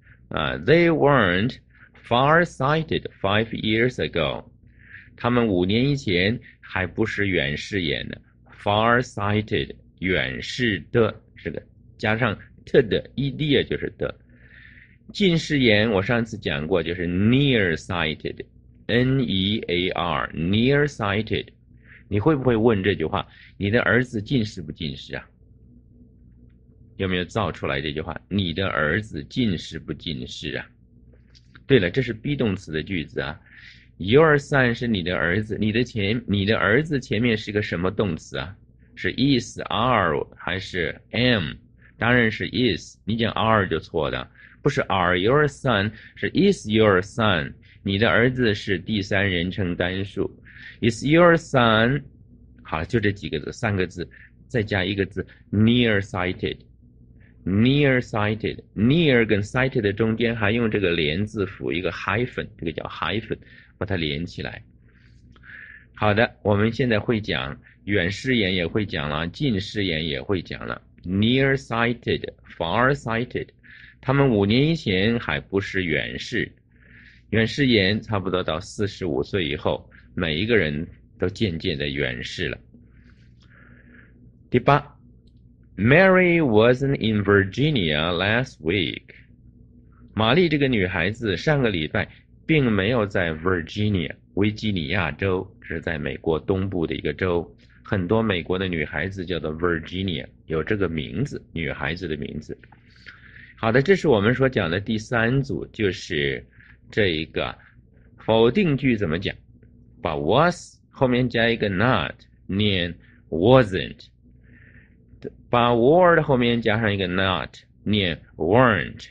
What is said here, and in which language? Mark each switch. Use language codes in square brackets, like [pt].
[en] They weren't far-sighted 5 years ago. [zh] 他们五年以前还不是远视眼的。 Far-sighted, 远视的，是的，加上 to 的 ed 就是的。近视眼我上次讲过，就是 [en] near-sighted, [zh] N-E-A-R, near-sighted. 你会不会问这句话？你的儿子近视不近视啊？有没有造出来这句话？你的儿子近视不近视啊？对了，这是 be 动词的句子啊。 [en] Your son [zh] 是你的儿子，你的儿子前面是个什么动词啊？是 is, are 还是 am？ 当然是 is， 你讲 are 就错的，不是 [en] are your son， [zh] 是 [en] is your son。 [zh] 你的儿子是第三人称单数 ， [en] is your son。 [zh] 好，就这几个字，三个字，再加一个字 ，near sighted。 nearsighted 跟 sighted 的中间还用这个连字辅一个 hyphen，这个叫 hyphen，把它连起来。好的，我们现在会讲远视眼也会讲了，近视眼也会讲了， [en] nearsighted、farsighted， [zh] 他们5年以前还不是远视，远视眼差不多到45岁以后，每一个人都渐渐的远视了。第八， [en] Mary wasn't in Virginia last week。 [zh] 玛丽这个女孩子上个礼拜并没有在 Virginia。维吉尼亚州是在美国东部的一个州，很多美国的女孩子叫做 Virginia，有这个名字，女孩子的名字。好的，这是我们所讲的第三组，就是这一个否定句怎么讲，把 was 后面加一个 not，念 wasn't；把 were 后面加上一个 not，念 weren't。